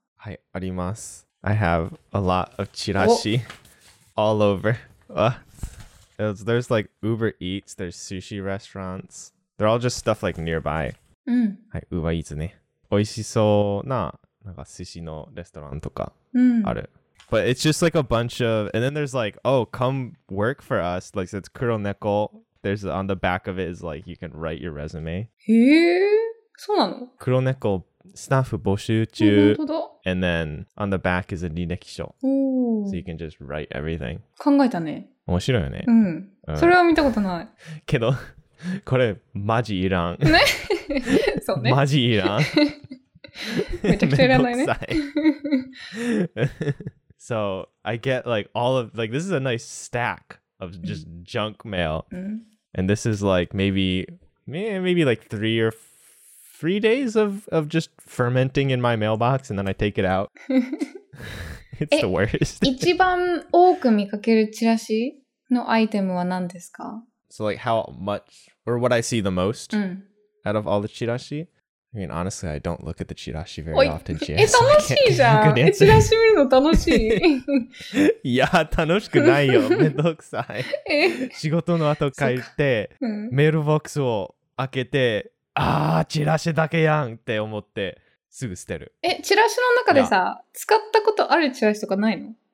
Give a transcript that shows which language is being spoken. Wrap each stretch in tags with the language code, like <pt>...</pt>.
<ja>はい、あります。</ja> <en>I have a lot of chirashi all over. There's like Uber Eats, there's sushi restaurants. They're all just stuff like nearby.</en> <ja>はい、Uber Eats ね。美味しそうな、なんか寿司のレストランとかある。</ja> <en>But it's just like a bunch of, and then there's like, oh, come work for us. Like, so it's Kuro Neko. There's, on the back of it is like, you can write your resume.</en> <ja>へー、そうなの? Kuro Neko. スタッフ募集中、本当だ。</ja> <en>And then on the back is a 履歴書。 Ooh. So you can just write everything.</en> <ja>考えたね。面白いよね。うん。それは見たことない。けど、これマジいらん。ね。そうね。マジいらん。めちゃくちゃいらないね。めんどく</ja> <en>さい。So I get like all of, like this is a nice stack of just junk mail. And this is like maybe like three days of just fermenting in my mailbox, and then I take it out. It's the worst.</en> <ja>一番多く見かけるチラシのアイテムは何ですか?</ja> <en>So like how much, or what I see the most、うん、 out of all the chirashi? I mean, honestly, I don't look at the chirashi very often.</en> <ja>Chie, 楽しいじゃん! え、チラシ見るの楽しい! いや、楽しくないよ。めんどくさい。仕事の後書いて、うん、メールボックスを開けて、あー、チラシだけやんって思って、すぐ捨てる。え、チラシの中でさ、使ったことあるチラシとかないの?</ja>